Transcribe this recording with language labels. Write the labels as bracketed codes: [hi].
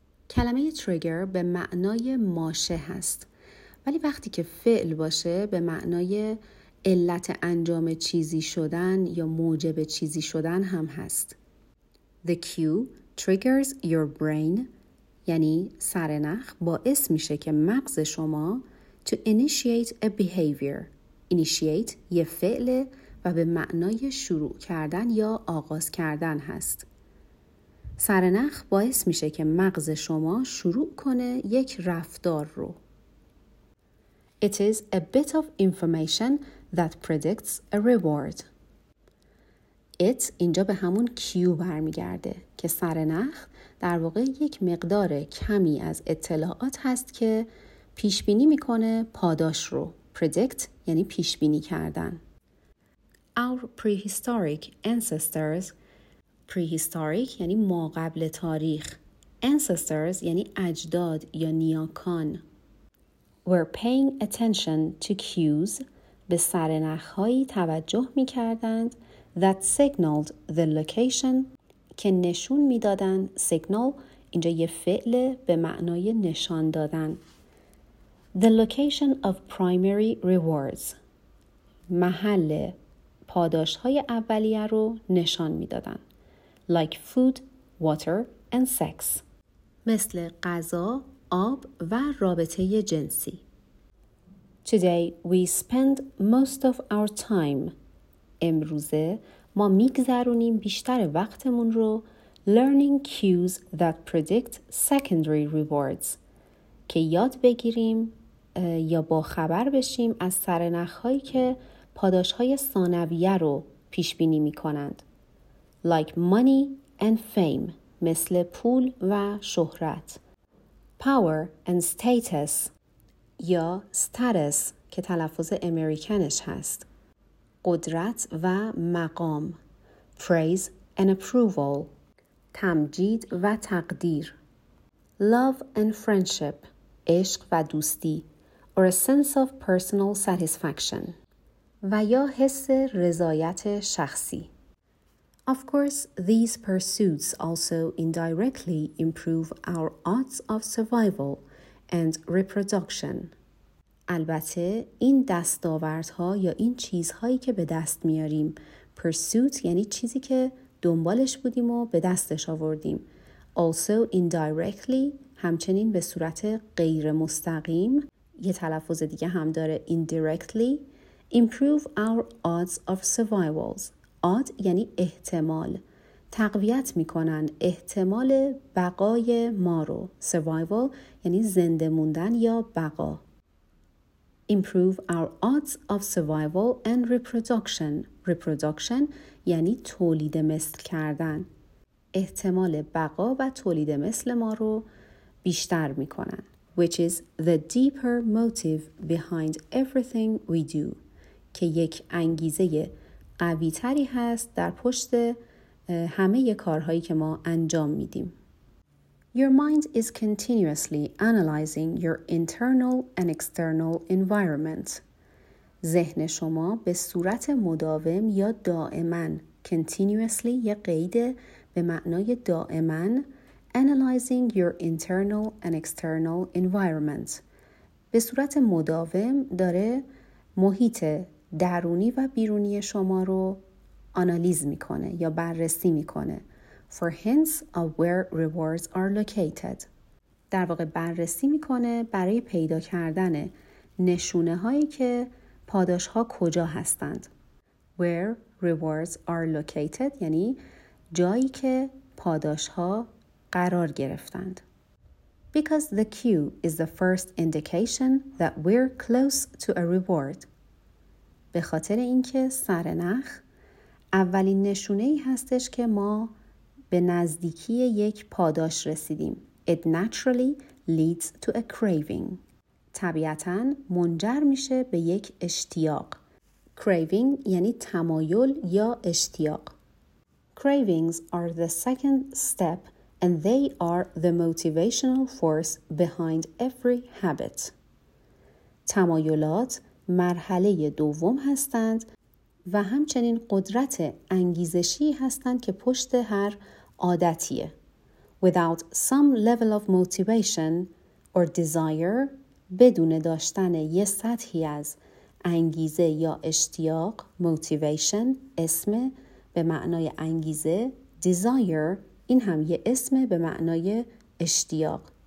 [fa] کلمه trigger به معنای ماشه هست. ولی وقتی که فعل باشه به معنای علت انجام چیزی شدن یا موجب چیزی شدن هم هست. [en] The cue triggers your brain [fa] یعنی سر نخ باعث میشه که مغز شما [en] to initiate a behavior. [fa] Initiate یه فعل و به معنای شروع کردن یا آغاز کردن هست. سر نخ باعث میشه که مغز شما شروع کنه یک رفتار رو. [en] It is a bit of information that predicts a reward. [fa] It اینجا به همون کیو برمیگرده که سر نخ در واقع یک مقدار کمی از اطلاعات هست که پیش بینی میکنه پاداش رو. Predict یعنی پیش بینی کردن. [en] Our prehistoric ancestors. [fa] Prehistoric یعنی ما قبل تاریخ. Ancestors یعنی اجداد یا نیاکان. [en] We're paying attention to cues. [fa] به سرنخهایی توجه می کردند [en] that signaled the location [fa] که نشون می دادن. Signal اینجا یه فعل به معنای نشان دادن. [en] The location of primary rewards. [fa] محل پاداش های اولیه رو نشان می دادن. [en] Like food, water and sex. [fa] مثل غذا، آب و رابطه جنسی. [en] Today we spend most of our time. [fa] امروزه ما میگذرونیم بیشتر وقتمون رو [en] learning cues that predict secondary rewards. [fa] که یاد بگیریم یا با خبر بشیم از سرنخهایی که پاداشهای ثانویه رو پیشبینی میکنند. [en] Like money and fame. [fa] مثل پول و شهرت. [en] Power and status. [fa] یا status که تلفظ امریکنش هست. قدرت و مقام. [en] Praise and approval. [fa] تمجید و تقدیر. [en] Love and friendship. [fa] عشق و دوستی. [en] Or a sense of personal satisfaction. [fa] و یا حس رضایت شخصی. [en] Of course, these pursuits also indirectly improve our odds of survival and reproduction. [fa] البته این دستاوردها یا این چیزهایی که به دست میاریم pursuit یعنی چیزی که دنبالش بودیم و به دستش آوردیم [en] also indirectly [fa] همچنین به صورت غیر مستقیم یه تلفظ دیگه هم داره [en] indirectly improve our odds of survivals [fa] odd یعنی احتمال تقویت میکنن احتمال بقای ما رو survival یعنی زنده موندن یا بقا [en] Improve our odds of survival and reproduction. [fa] Reproduction یعنی تولید مثل کردن. احتمال بقا و تولید مثل ما رو بیشتر می کنن. [en] Which is the deeper motive behind everything we do. [fa] که یک انگیزه قوی تری هست در پشت همه کارهایی که ما انجام می دیم. [en] Your mind is continuously analyzing your internal and external environment. [fa] ذهن شما به صورت مداوم یا دائما continuously یه قید به معنای دائما [en] analyzing your internal and external environment. [fa] به صورت مداوم داره محیط درونی و بیرونی شما رو آنالیز میکنه یا بررسی میکنه. [en] For hints of where rewards are located. [fa] در واقع بررسی میکنه برای پیدا کردن نشونه هایی که پاداش ها کجا هستند. [en] Where rewards are located [fa] یعنی جایی که پاداش ها قرار گرفتند. [en] Because the cue is the first indication that we're close to a reward. [fa] به خاطر اینکه سرنخ اولین نشونه ای هستش که ما به نزدیکی یک پاداش رسیدیم. [en] It naturally leads to a craving. [fa] طبیعتاً منجر میشه به یک اشتیاق. Craving یعنی تمایل یا اشتیاق. [en] Cravings are the second step and they are the motivational force behind every habit. [fa] تمایلات مرحله دوم هستند و همچنین قدرت انگیزشی هستند که پشت هر عادتیه. [en] Without some level of motivation or desire، [fa] بدون داشتن یه سطحی از انگیزه یا اشتیاق، motivation اسم به معنای انگیزه، desire این هم یه اسم به معنای اشتیاق.